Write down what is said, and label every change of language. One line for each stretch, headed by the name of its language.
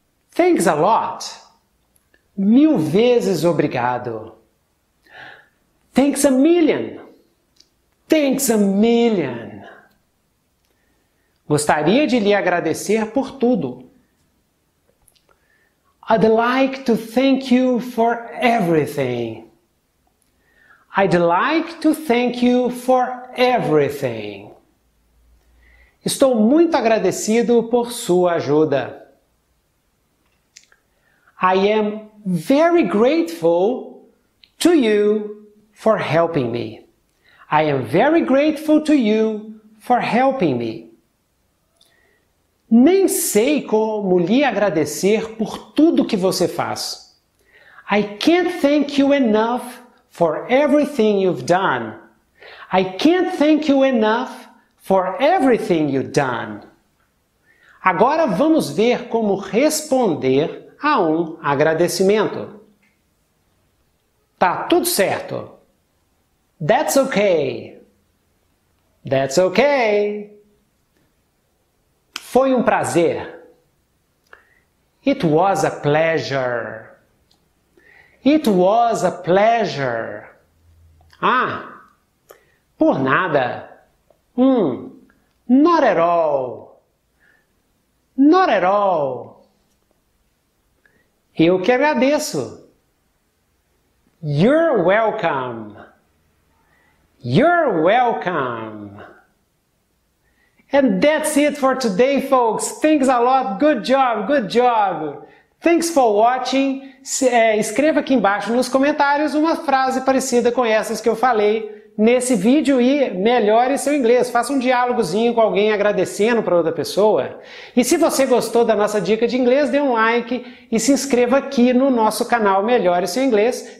English: Thanks a lot.
Portuguese: Mil vezes obrigado.
English: Thanks a million. Thanks a million.
Portuguese: Gostaria de lhe agradecer por tudo.
English: I'd like to thank you for everything. I'd like to thank you for everything.
Portuguese: Estou muito agradecido por sua ajuda.
English: I am very grateful to you for helping me. I am very grateful to you for helping me.
Portuguese: Nem sei como lhe agradecer por tudo que você faz.
English: I can't thank you enough for everything you've done. I can't thank you enough for everything you've done.
Portuguese: Agora vamos ver como responder a um agradecimento. Tá tudo certo.
English: That's okay. That's okay.
Portuguese: Foi um prazer.
English: It was a pleasure. It was a pleasure.
Portuguese: Ah, por nada.
English: Not at all. Not at all.
Portuguese: Eu que agradeço.
English: You're welcome. You're welcome. And that's it for today, folks. Thanks a lot. Good job. Good job. Thanks for watching.
Portuguese: Escreva aqui embaixo nos comentários uma frase parecida com essas que eu falei nesse vídeo e melhore seu inglês. Faça um diálogozinho com alguém agradecendo para outra pessoa. E se você gostou da nossa dica de inglês, dê um like e se inscreva aqui no nosso canal Melhore Seu Inglês.